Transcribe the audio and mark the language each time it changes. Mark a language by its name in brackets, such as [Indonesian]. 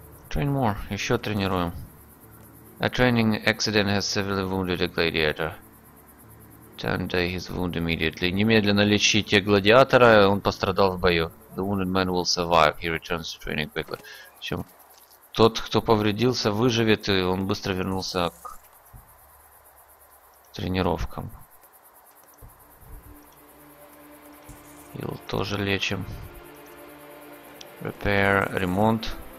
[English] Train more. [Russian] Еще тренируем. [English] A training accident has severely wounded a gladiator. Tend his wound immediately. [Russian] Немедленно лечите гладиатора, он пострадал в бою. [English] The wounded man will survive. He returns to training quickly. [Russian] Причем, тот, кто повредился, выживет, и он быстро вернулся к тренировкам. Его тоже лечим. [English] Repair, [Russian] ремонт.